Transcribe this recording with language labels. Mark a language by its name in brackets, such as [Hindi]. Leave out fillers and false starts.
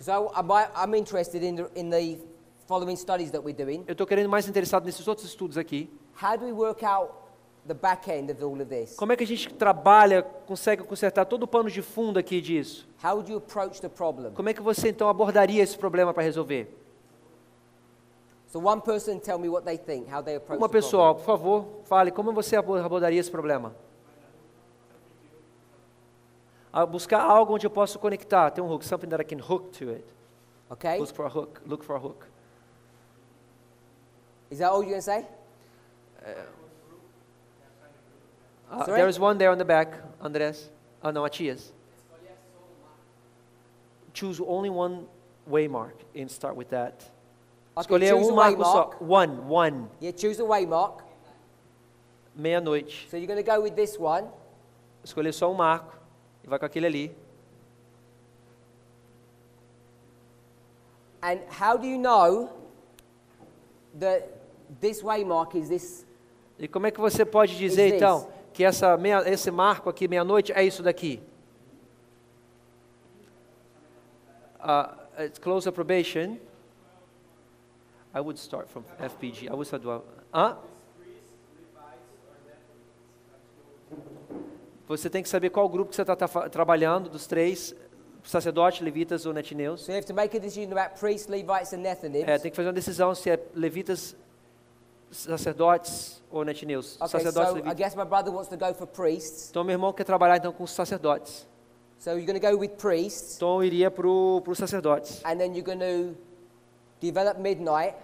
[English] So I'm interested in the following studies that we're doing. [Portuguese] Eu estou querendo mais interessado nesses outros estudos aqui. [English] How do we work out the back end of all of this? [Portuguese] Como é que a gente trabalha, consegue consertar todo o pano de fundo aqui disso? [English] How would you approach the problem? [Portuguese] Como é que você então abordaria esse problema para resolver? [English] So one person tell me what they think, how they approach the problem. [Portuguese] Uma pessoa, por favor, fale como você abordaria esse problema. Buscar algo onde eu posso conectar, tem um hook, [English] something that I can hook to it. Okay. Look for a hook. Look for a hook. Is that all you're going to say? Sorry? There is one there on the back, Andres. Oh no, Matias. Choose only one waymark and start with that. [Portuguese] Escolher okay, um marco só. One. [English] Yeah, choose a waymark. [Portuguese] Meia-noite. [English] So you're going to go with this one. [Portuguese] Escolher só um marco. E vai com aquele ali. [English] And how do you know that this waymark is this? [Portuguese] E como é que você pode dizer, então, que esse marco aqui, meia-noite, é isso daqui? [English] It's close probation. I would start from FPG. I would start to [Portuguese] Você tem que saber qual grupo que você está trabalhando dos três sacerdotes, levitas ou netineus. [English] So you have to make a decision about priests, Levites and Nethinims. [Portuguese] Tem que fazer uma decisão se é levitas, sacerdotes ou netineus. [English] Okay, [Portuguese] sacerdotes, [English] so levitas. I guess my brother wants to go for priests. [Portuguese] Então meu irmão quer trabalhar então com os sacerdotes. [English] So you're going to go with priests. [Portuguese] Então iria pro sacerdotes. [English] And then you're going to develop midnight.